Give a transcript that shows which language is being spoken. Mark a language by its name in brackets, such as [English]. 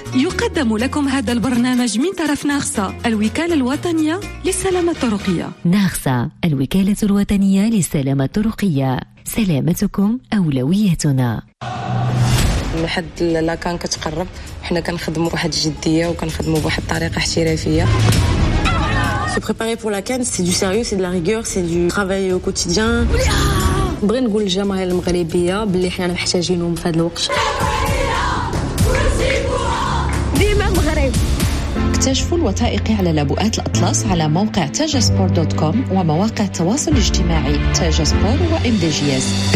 [Arabic] يقدم لكم هذا البرنامج من طرف ناخسا الوكالة الوطنية للسلامة الطرقية. ناخسا الوكالة الوطنية للسلامة الطرقية. سلامتكم أولويتنا. لحد لا كان كتقرب حنا كنخدموا بواحد جدية وكنخدموا بواحد طريقة احترافية. [French] Se préparer pour la CAN, c'est du sérieux, c'est de la rigueur, c'est du travail au quotidien. [Arabic] بغي نقول للجماهير المغربية بلي حنا محتاجينهم في هذا الوقت. اكتشفوا الوثائقي على لابؤات الأطلس على موقع tajasport.com ومواقع التواصل الاجتماعي تاجاسبور وMDGS.